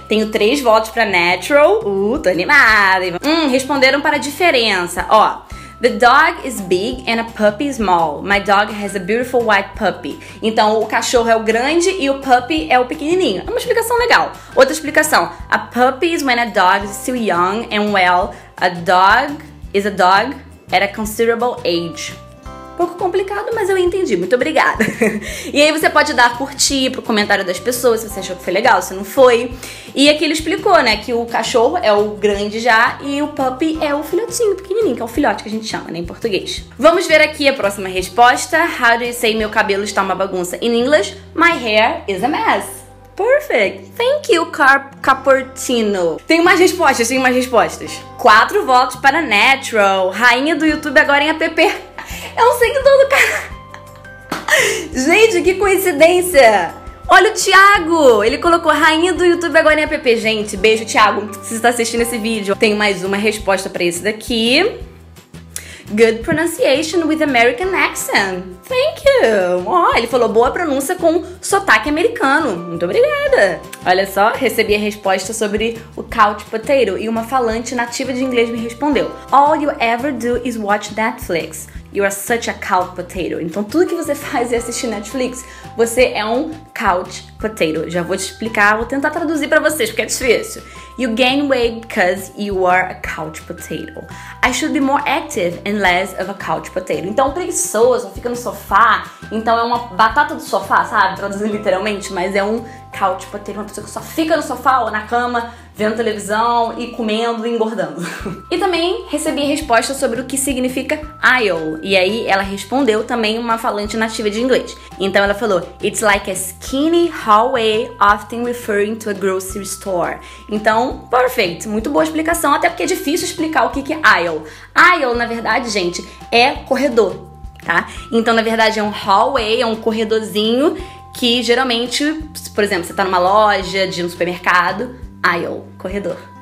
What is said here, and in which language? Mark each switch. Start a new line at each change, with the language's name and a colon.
Portuguese: Tenho 3 votos pra natural. Tô animada. Responderam para a diferença.
English: Ó, the dog is big and a puppy small. My dog has a beautiful white puppy.
Portuguese: Então, o cachorro é o grande e o puppy é o pequenininho. É uma explicação legal. Outra explicação.
English: A puppy is when a dog is still young and well. A dog is a dog at a considerable age.
Portuguese: Um pouco complicado, mas eu entendi. Muito obrigada. E aí você pode dar curtir pro comentário das pessoas, se você achou que foi legal, se não foi. E aqui ele explicou, né, que o cachorro é o grande já e o puppy é o filhotinho pequenininho, que é o filhote que a gente chama, né, em português. Vamos ver aqui a próxima resposta.
English: How do you say
Portuguese: meu cabelo está uma bagunça?
English: In English, my hair is a mess. Perfect. Thank you, Caportino.
Portuguese: Tem mais respostas, tem mais respostas. 4 votos para natural. Rainha do YouTube agora em app. É um seguidor do cara. Gente, que coincidência. Olha o Thiago. Ele colocou rainha do YouTube agora em app. Gente, beijo, Thiago, se você tá assistindo esse vídeo. Tem mais uma resposta pra esse daqui.
English: Good pronunciation with American accent. Thank you.
Portuguese: Ó, ele falou boa pronúncia com sotaque americano. Muito obrigada. Olha só, recebi a resposta sobre o couch potato e uma falante nativa de inglês me respondeu.
English: All you ever do is watch Netflix. You are such a couch potato.
Portuguese: Então tudo que você faz é assistir Netflix. Você é um couch potato. Já vou te explicar, vou tentar traduzir pra vocês porque é difícil.
English: You gain weight because you are a couch potato. I should be more active and less of a couch potato.
Portuguese: Então preguiçoso, fica no sofá. Então é uma batata do sofá, sabe? Traduzindo literalmente, mas é um couch potato. Uma pessoa que só fica no sofá ou na cama, vendo televisão e comendo e engordando. E também recebi resposta sobre o que significa aisle. E aí ela respondeu também uma falante nativa de inglês. Então ela falou,
English: it's like a skinny hallway often referring to a grocery store.
Portuguese: Então, perfeito. Muito boa explicação, até porque é difícil explicar o que é aisle. Aisle, na verdade, gente, é corredor, tá? Então, na verdade, é um hallway, é um corredorzinho que geralmente, por exemplo, você tá numa loja de um supermercado, aisle, corredor.